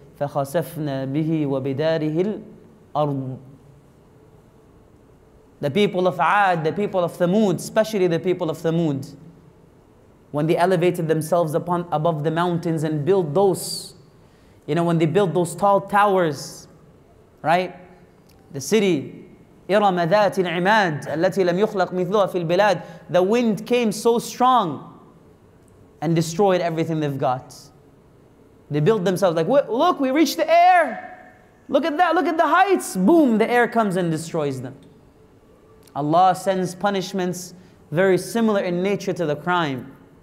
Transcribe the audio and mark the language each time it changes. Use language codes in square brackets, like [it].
[ar] فَخَسَفْنَا بِهِ وَبِدَارِهِ الْأَرْضِ. [en] The people of Ad, the people of Thamud, especially the people of Thamud, when they elevated themselves above the mountains and built those, when they built those tall towers, right? The city, [ar] إِرَمَ ذَاتِ الْعِمَادِ الَّتِي لَمْ يُخْلَقْ مِثْلُهَا فِي الْبِلَادِ. [en] The wind came so strong and destroyed everything they've got. They built themselves like, look, we reached the air. Look at that, look at the heights. Boom, the air comes and destroys them. Allah sends punishments very similar in nature to the crime.